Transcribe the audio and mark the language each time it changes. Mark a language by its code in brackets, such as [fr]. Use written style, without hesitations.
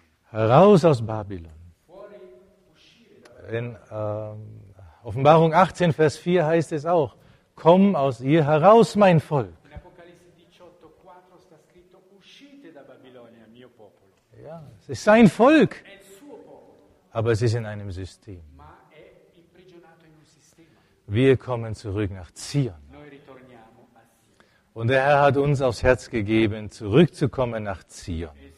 [de] Heraus aus Babylon. In Offenbarung 18, Vers 4 heißt es auch, komm aus ihr heraus, mein Volk. [it] In Apocalisse 18, 4 sta scritto, uscite da Babilonia, mio popolo. [de] Ja, es ist sein Volk, [it] è il suo popolo. [de] Aber es ist in einem System. [it] Ma è imprigionato in un sistema. [de] Wir kommen zurück nach Zion. [it] Noi ritorniamo a Zion. [de] Und der Herr hat uns aufs Herz gegeben, zurückzukommen nach Zion.